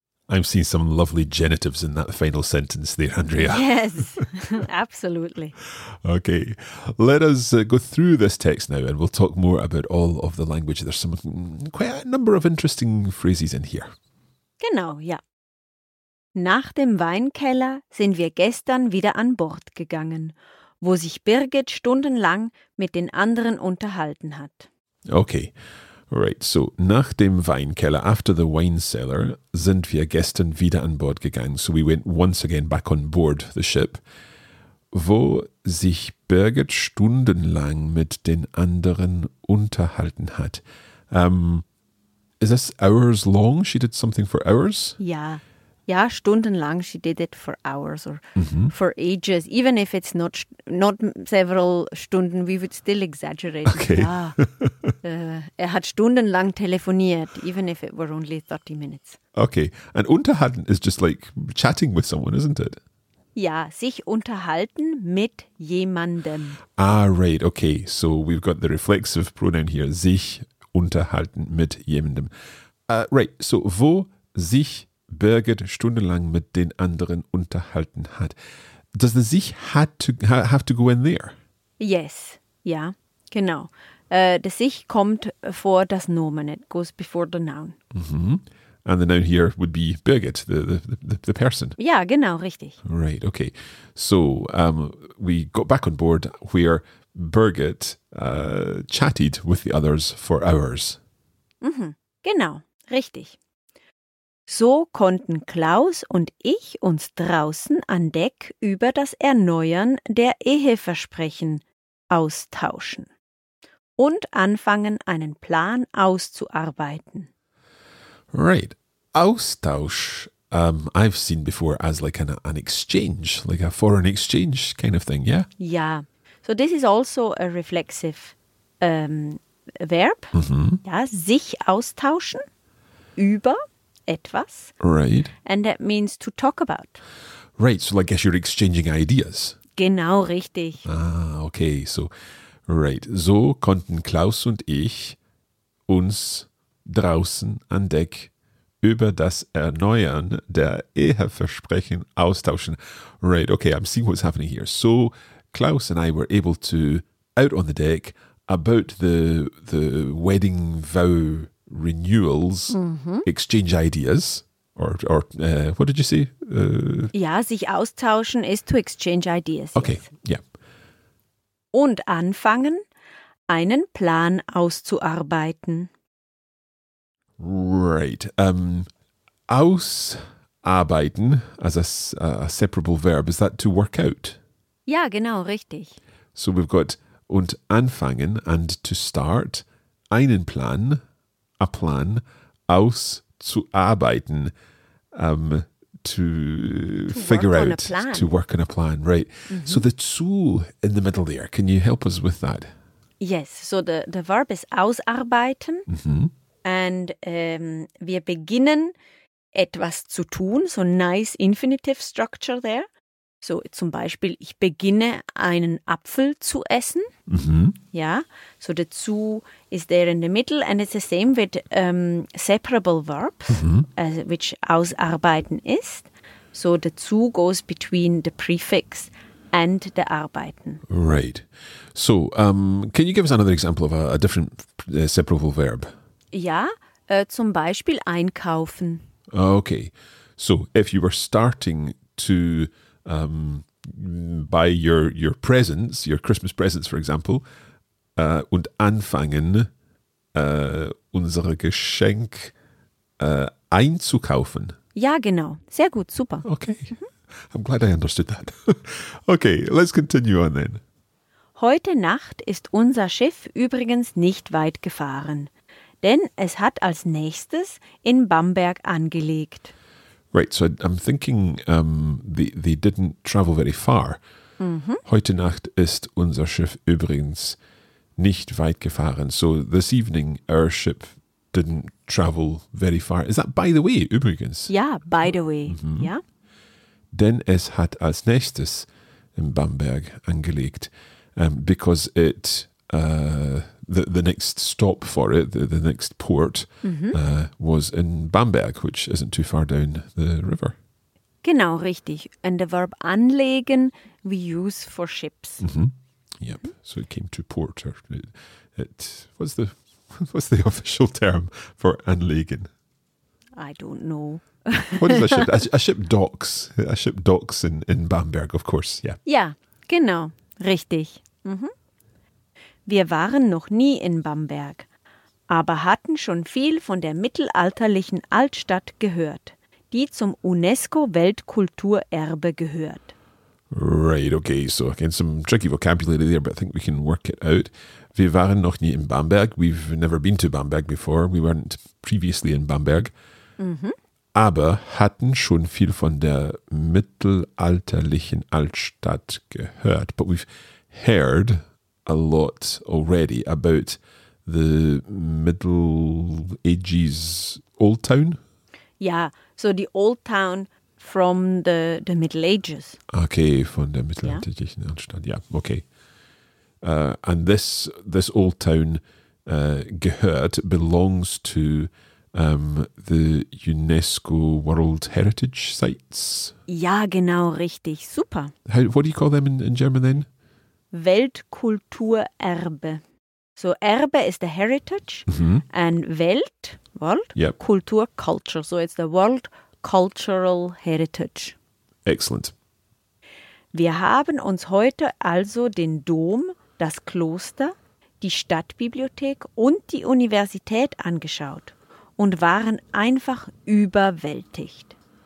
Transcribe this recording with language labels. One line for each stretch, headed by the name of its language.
English: I'm seeing some lovely genitives in that final sentence there, Andrea. Yes, absolutely. Okay, let us go through this text now and we'll talk more about all of the language. There's some quite a number of interesting phrases in here.
German: Genau, ja. Nach dem Weinkeller sind wir gestern wieder an Bord gegangen, wo sich Birgit stundenlang mit den anderen unterhalten hat.
English: Okay.
German: Right, so nach dem Weinkeller,
English: after the wine cellar,
German: sind wir gestern wieder an Bord gegangen.
English: So we went once again back on board the ship,
German: wo sich Birgit stundenlang mit den anderen unterhalten hat.
English: Is this hours long? She did something for hours?
German: Ja, stundenlang.
English: She did it for hours or for ages. Even if it's not several Stunden, we would still exaggerate. Okay. Ah,
German: er hat stundenlang telefoniert,
English: even if it were only 30 minutes. Okay. And unterhalten is just like chatting with someone, isn't it?
German: Ja, sich unterhalten mit jemandem.
English: Ah, right. Okay. So we've got the reflexive pronoun here.
German: Sich unterhalten mit jemandem. Right. So wo sich Birgit stundenlang mit den anderen unterhalten hat.
English: Does the sich had to have to go in there? Yes.
German: Ja, genau. Das Ich kommt vor das Nomen.
English: It goes before the noun. Mm-hmm. And the noun here would be Birgit, the person.
German: Yeah, genau, richtig.
English: Right, okay. So we got back on board where Birgit chatted with the others for hours.
German: Mm-hmm. Genau, richtig. So konnten Klaus und ich uns draußen an Deck über das Erneuern der Eheversprechen austauschen und anfangen, einen Plan auszuarbeiten.
English: Right. Austausch, I've seen before as like an exchange, like a foreign exchange kind of thing, yeah? Yeah. So this is also a reflexive verb. Mm-hmm.
German: Ja, sich austauschen über etwas.
English: Right. And that means to talk about. Right, so I guess you're exchanging ideas.
German: Genau, richtig.
English: Ah, okay, so, right.
German: So konnten Klaus und ich uns draußen an Deck über das Erneuern der Eheversprechen austauschen.
English: Right, okay, I'm seeing what's happening here. So Klaus and I were able to, out on the deck, about the wedding vow renewals, mm-hmm. exchange ideas, or what did you say?
German: Ja, sich austauschen ist
English: to exchange ideas. Okay, yes. Yeah.
German: Und anfangen, einen Plan auszuarbeiten.
English: Right. Ausarbeiten, as a separable verb, is that to work out?
German: Ja, genau, richtig.
English: So we've got
German: und anfangen
English: and to start,
German: einen Plan,
English: a plan,
German: auszuarbeiten,
English: to figure out, to work on a plan, right. Mm-hmm. So the zu in the middle there, can you help us with that? Yes, so the verb is ausarbeiten. Mm-hmm. And
German: wir beginnen etwas zu tun,
English: so nice infinitive structure there.
German: So zum Beispiel, ich beginne einen Apfel zu essen. Mm-hmm.
English: Ja, so the zu is there in the middle and it's the same with separable verbs, mm-hmm. Which
German: ausarbeiten ist.
English: So the zu goes between the prefix and the arbeiten. Right. So can you give us another example of a different separable verb?
German: Ja, zum Beispiel einkaufen.
English: Okay, so if you were starting to buy your presents, your Christmas presents, for example,
German: und anfangen, unsere Geschenk einzukaufen. Ja, genau. Sehr gut, super.
English: Okay, I'm glad I understood that. Okay, let's continue on then.
German: Heute Nacht ist unser Schiff übrigens nicht weit gefahren. Denn es hat als nächstes in Bamberg angelegt.
English: Right, so I'm thinking they didn't travel very far. Mm-hmm.
German: Heute Nacht ist unser Schiff übrigens nicht weit gefahren.
English: So this evening our ship didn't travel very far. Is that by the way, übrigens? Ja, by the way, mm-hmm. Ja.
German: Denn es hat als nächstes in Bamberg angelegt.
English: Because it... The next stop for it, the next port, mm-hmm. Was in Bamberg, which isn't too far down the river.
German: Genau, richtig.
English: And the verb anlegen we use for ships. Mm-hmm. Yep. Mm-hmm. So it came to port. Or what's the official term for anlegen? I don't know. What is a ship? A ship docks. A ship docks in Bamberg, of course. Yeah.
German: Ja, genau, richtig. Mm-hmm. Wir waren noch nie in Bamberg, aber hatten schon viel von der mittelalterlichen Altstadt gehört, die zum UNESCO-Weltkulturerbe gehört.
English: Right, okay, so again some tricky vocabulary there, but I think we can work it out.
German: Wir waren noch nie in Bamberg.
English: We've never been to Bamberg before. We weren't previously in Bamberg. Mm-hmm.
German: Aber hatten schon viel von der mittelalterlichen Altstadt gehört.
English: But we've heard a lot already about the Middle Ages old town? Yeah, so the old town from the Middle Ages. Okay,
German: von der mittelalterlichen Altstadt,
English: yeah, okay. And this old town belongs to the UNESCO World Heritage Sites?
German: Ja, genau, richtig, super.
English: What do you call them in German then?
German: Weltkulturerbe.
English: So Erbe is the heritage, and Welt, yep. Kultur, culture. So it's the world cultural heritage. Excellent.
German: Wir haben uns heute also den Dom, das Kloster, die Stadtbibliothek und die Universität angeschaut und waren einfach überwältigt.